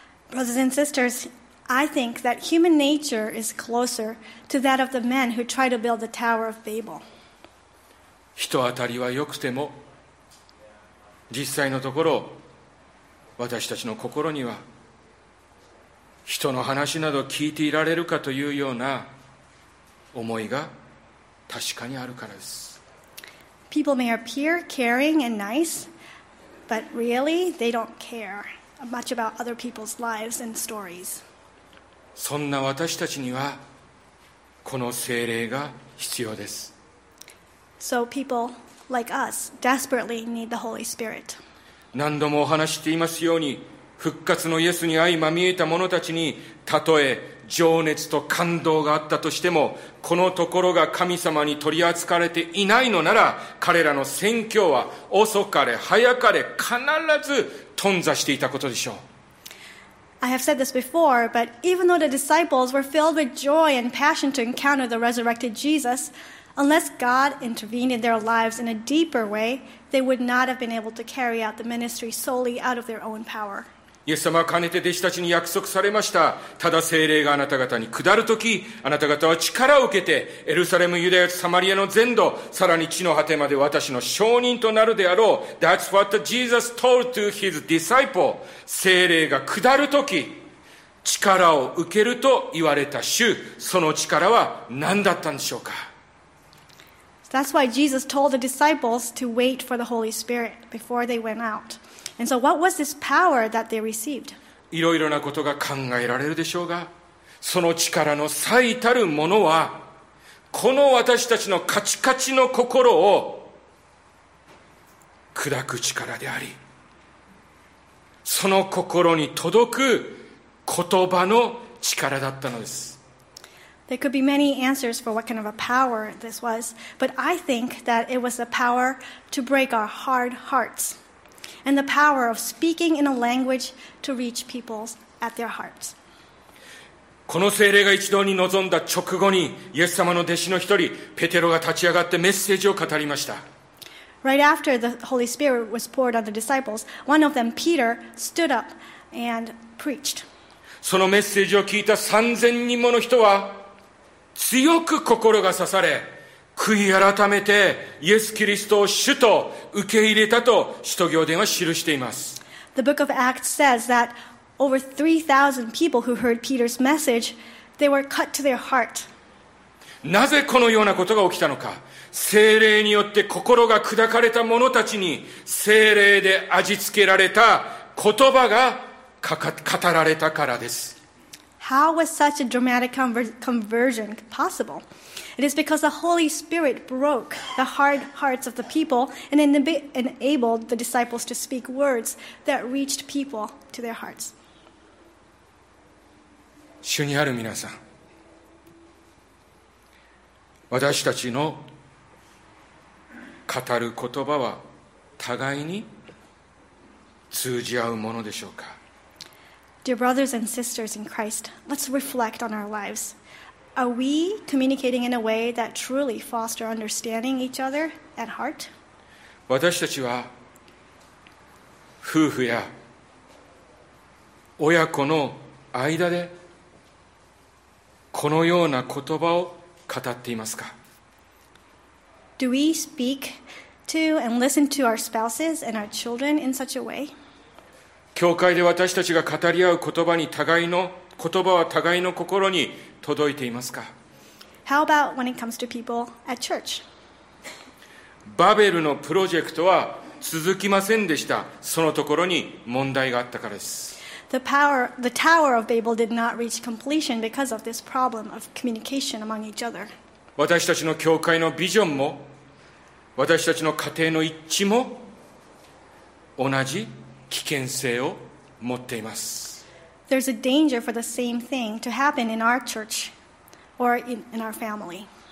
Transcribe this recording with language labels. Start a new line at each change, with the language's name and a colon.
English: Brothers and sisters, I think that human nature is closer to that of the men who try to build the Tower of Babel.
Japanese: 人当たりは良くても、実際のところ、私たちの心には、人の話など聞いていられるかというような思いが確かにあるからです。
English: People may appear caring and nice, but really they don't care much about other people's lives and stories.
Japanese: そんな私たちにはこの聖霊が必要です。
English: So people like us desperately need the Holy Spirit.
Japanese: 何度もお話していますように、復活のイエスに相まみえた者たちに、たとえ情熱と感動があったとしても、このところが神様に取り扱われていないのなら、彼らの宣教は遅かれ早かれ必ず頓挫していたことでしょう。
English: I have said this before, but even though the disciples were filled with joy and passion to encounter the resurrected Jesus, unless God intervened in their lives in a deeper way, they would not have been able to carry out the ministry solely out of their own power.
Japanese: イエス様はかねて弟子たちに約束されました。ただ聖霊があなた方に下るとき、あなた方は力を受けて、エルサレム、ユダヤ、サマリアの全土、さらに地の果てまで私の証人となるであろう。
English: That's what Jesus told to his disciple.
Japanese: 聖霊が下るとき、力を受けると言われた主、その力は何だったんでしょうか。
English: That's why Jesus told the disciples to wait for the Holy Spirit before they went out. And so what was this power that they received?
Japanese: いろいろなことが考えられるでしょうが、その力の最たるものは、この私たちのカチカチの心を砕く力であり、その心に届く言葉の力だったのです。
English: There could be many answers for what kind of a power this was, but I think that it was the power to break our hard hearts. And the power of speaking in a language to reach people at their hearts.
Japanese: この聖霊が一堂に臨んだ直後に、イエス様の弟子の一人、ペテロが立ち上がってメッセージを語りました。
English: Right after the Holy Spirit was poured on the disciples, one of them, Peter, stood up and preached.
Japanese: そのメッセージを聞いた3000人もの人は、強く心が刺され、悔い改めてイエス・キリストを主と受け入れたと使徒行伝は記しています。
English: The book of Acts says that over 3,000 people who heard Peter's message, they were cut to their heart.
Japanese: なぜこのようなことが起きたのか。聖霊によって心が砕かれた者たちに聖霊で味付けられた言葉が語られたからです。
English: How was such a dramatic conversion possible? It is because the Holy Spirit broke the hard hearts of the people and enabled the disciples to speak words that reached people to their hearts.
Japanese: 主にある皆さん、私たちの語る言葉は互いに通じ合うものでしょうか。
English: Dear brothers and sisters in Christ, let's reflect on our lives. Are we communicating in a way that truly fosters understanding each other at heart?
Japanese: 私たちは夫婦や親子の間でこのような言葉を語っていますか?
English: Do we speak to and listen to our spouses and our children in such a way?
Japanese: 教会で私たちが語り合う言葉に互いの言葉は互いの心に届いていますか?
English: How about when it comes to people at church?
Japanese: バベルのプロジェクトは続きませんでした。そのところに問題があったからです。
English: The Tower of Babel did not reach completion because of this problem of communication among each other.
Japanese: 私たちの教会のビジョンも、私たちの家庭の一致も同じ。危険性を持っています。
English: There's a danger for the same thing to happen in our church or in our family.